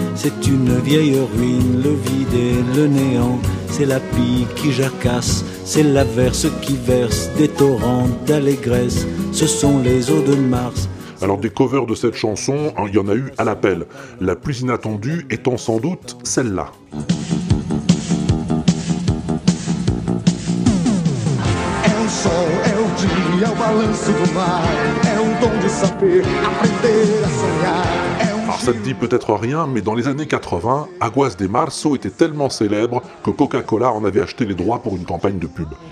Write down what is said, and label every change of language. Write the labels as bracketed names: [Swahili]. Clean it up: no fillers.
[French] C'est une vieille ruine, le vide et le néant. C'est la pluie qui jacasse, c'est l'averse qui verse des torrents d'allégresse. Ce sont les eaux de Mars. Alors des covers de cette chanson, il y en a eu à l'appel. La plus inattendue étant sans doute celle-là. [Portuguese] É o sol, é o dia, é o balanço do mar. É o dom de saber, aprender a sonhar. [French] Alors ça ne dit peut-être rien, mais dans les années 80, Aguas de Março était tellement célèbre que Coca-Cola en avait acheté les droits pour une campagne de pub.